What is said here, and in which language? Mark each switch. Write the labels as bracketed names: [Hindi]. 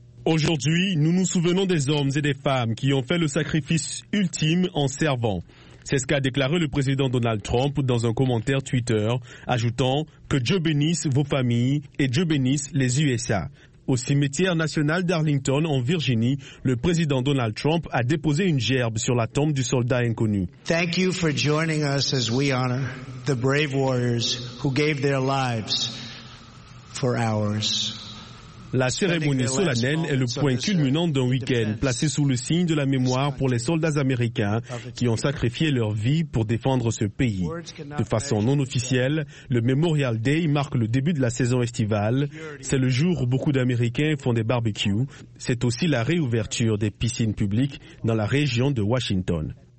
[French] Aujourd'hui, nous nous souvenons des hommes et des femmes qui ont fait le sacrifice ultime en servant. C'est ce qu'a déclaré le président Donald Trump dans un commentaire Twitter, ajoutant que Dieu bénisse vos familles et Dieu bénisse les USA. Au cimetière national d'Arlington, en Virginie, le président Donald Trump a déposé une gerbe sur la tombe du soldat inconnu. [English] Thank you for joining us as we honor the brave warriors who gave their lives for ours. [French] La cérémonie solennelle est le point culminant d'un week-end placé sous le signe de la mémoire pour les soldats américains qui ont sacrifié leur vie pour défendre ce pays. De façon non officielle, le Memorial Day marque le début de la saison estivale. C'est le jour où beaucoup d'Américains font des barbecues. C'est aussi la réouverture des piscines publiques dans la région de Washington.